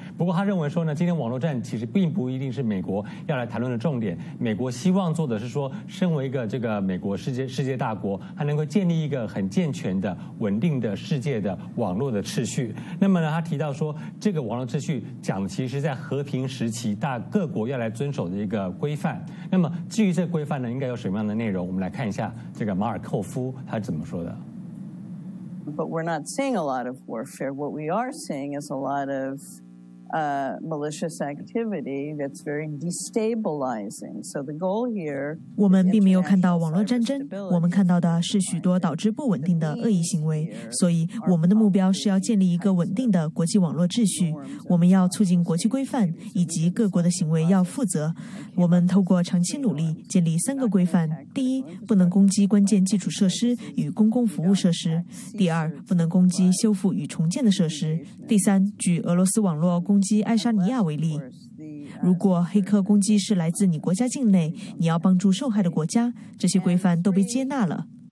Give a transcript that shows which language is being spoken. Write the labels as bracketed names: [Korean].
[Chinese] 不过他认为说呢，今天网络战其实并不一定是美国要来谈论的重点，美国希望做的是说，身为一个这个美国世界大国，他能够建立一个很健全的稳定的世界的网络的秩序。那么呢，他提到说这个网络秩序讲的其实是在和平时期大各国要来遵守的一个规范。那么至于这个规范呢，应该有什么样的内容，我们来看一下这个马尔寇夫他怎么说的。 [English] But we're not seeing a lot of warfare. What we are seeing is a lot of malicious activity that's very destabilizing. So the goal here. [Chinese] 我们并没有看到网络战争，我们看到的是许多导致不稳定的恶意行为。所以我们的目标是要建立一个稳定的国际网络秩序。我们要促进国际规范以及各国的行为要负责。我们透过长期努力建立三个规范：第一，不能攻击关键基础设施与公共服务设施；第二，不能攻击修复与重建的设施；第三，举俄罗斯网络攻击爱沙尼亚为例，如果黑客攻击是来自你国家境内，你要帮助受害的国家，这些规范都被接纳了。